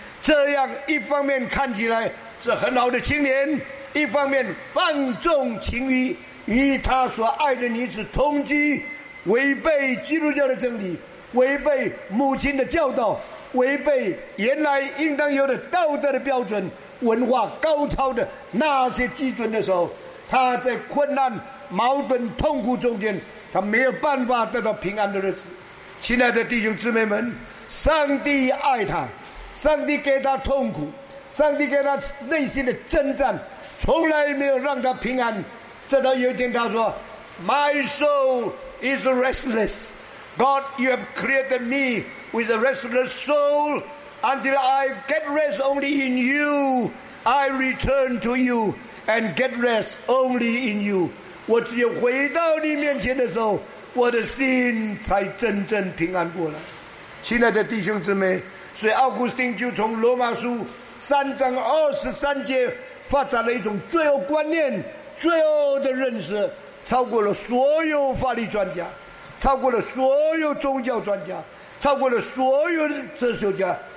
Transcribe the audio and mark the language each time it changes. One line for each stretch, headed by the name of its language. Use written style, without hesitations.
Chinese: 这样一方面看起来是很好的青年，一方面放纵情欲，与他所爱的女子同居，违背基督教的真理，违背母亲的教导，违背原来应当有的道德的标准、文化高超的那些基准的时候，他在困难、矛盾、痛苦中间，他没有办法得到平安的日子。亲爱的弟兄姊妹们，上帝爱他，上帝给他痛苦，上帝给他内心的征战，从来没有让他平安。直到有一天他说
English: My soul is restless, God, you have created meWith a restless soul, until I get rest only in you, I return to you and get rest only in you.
Chinese: 我只有回到你面前的时候，我的心才真正平安过来。亲爱的弟兄姊妹，所以奥古斯丁就从罗马书3:23发展了一种罪恶观念，罪恶的认识超过了所有法律专家，超过了所有宗教专家，超过了所有的哲学家。